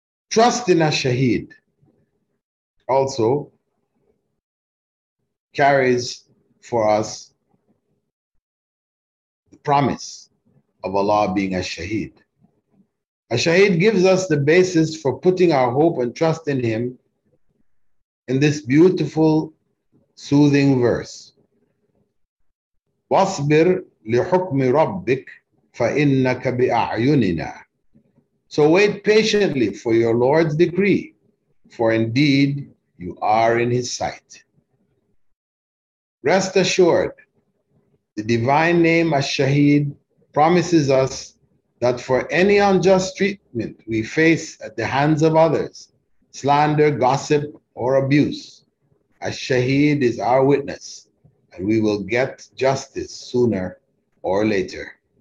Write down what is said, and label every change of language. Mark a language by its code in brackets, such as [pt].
[en] Trust in Ash-Shaheed also carries for us the promise of Allah being Ash-Shaheed. Ash-Shaheed gives us the basis for putting our hope and trust in Him in this beautiful, soothing verse. [ar] Wasbir لِحُكْمِ رَبِّكَ فَإِنَّكَ بِأَعْيُنِنَا. [en] So wait patiently for your Lord's decree, for indeed you are in His sight. Rest assured, the divine name Ash-Shaheed promises us that for any unjust treatment we face at the hands of others, slander, gossip, or abuse, Ash-Shaheed is our witness, and we will get justice sooner or later.